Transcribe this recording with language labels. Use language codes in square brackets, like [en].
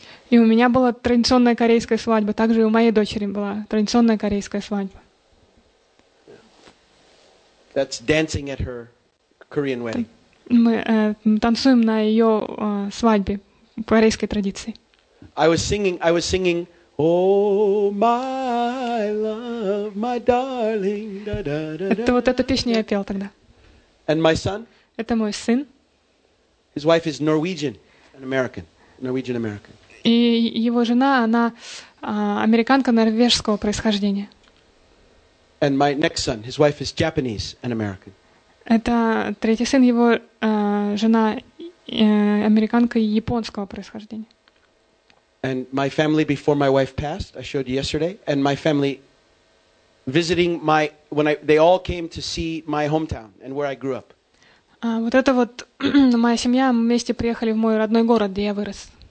[ru] И у меня была традиционная корейская свадьба, также и у моей дочери была традиционная корейская свадьба. [en] That's dancing at her Korean wedding. [ru] Мы танцуем на ее свадьбе по корейской традиции. [en] I was singing. Oh, my love, my darling. [ru] Это вот эту песню я пел тогда. [en] And my son? [ru] Это мой сын. [en] His wife is Norwegian, an American, Norwegian American. [ru] И его жена, она американка норвежского происхождения. [en] And my next son, his wife is Japanese, an American. [ru] Это третий сын, его жена американка японского происхождения. [en] And my family before my wife passed, I showed you yesterday, and my family visiting my when I they all came to see my hometown and where I grew up. [ru] Вот это вот моя семья вместе приехали в мой родной город, где я вырос.